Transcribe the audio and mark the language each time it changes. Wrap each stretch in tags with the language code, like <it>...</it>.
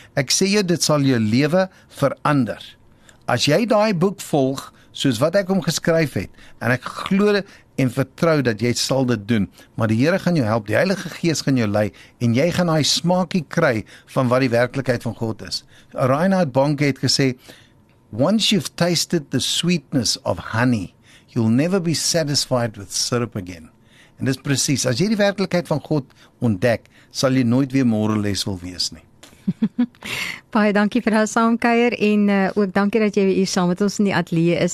<af>Ek sê jou, dit sal jou lewe verander. As jy daai boek volg, soos wat ek hom geskryf het, en ek glo en vertrou dat jy sal dit doen, maar die Here gaan jou help, die Heilige Gees gaan jou lei, en jy gaan hy smaakie kry van wat die werklikheid van God is.</af> <en>Reinhard Bonnke</en> <af>het gesê,</af> <en>once you've tasted the sweetness of honey, you'll never be satisfied with syrup again.</en> <af>En dis precies, as jy die werklikheid van God ontdek, sal jy nooit weer moreless wil wees nie. Baie dankie vir jou saamkuier en ook dankie dat jy hier saam met ons in die ateljee is.</af>